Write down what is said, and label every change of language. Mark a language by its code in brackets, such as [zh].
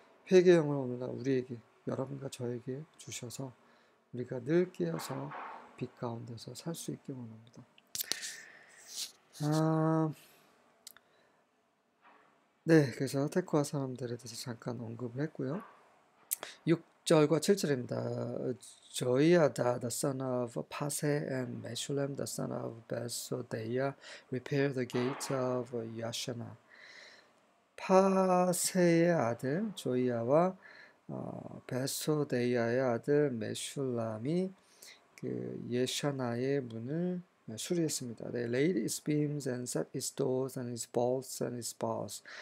[ko] 회개형을 오늘날 우리에게, 여러분과 저에게 주셔서, 우리가 늘 깨어서 빛 가운데서 살수 있게 원합니다. 네, 그래서 테크와 사람들에 대해서 잠깐 언급을 했고요. 6절과 7절입니다. [en] Joiada, the son of Pase, and Meshulam, the son of Besodeiah, repaired the gates of Yashana. [ko] 파세의 아들 조이아와 베소데야의 아들 메슐람이 그 예샤나의 문을 수리했습니다. [en] They laid its beams and set its doors and its bolts and its bars.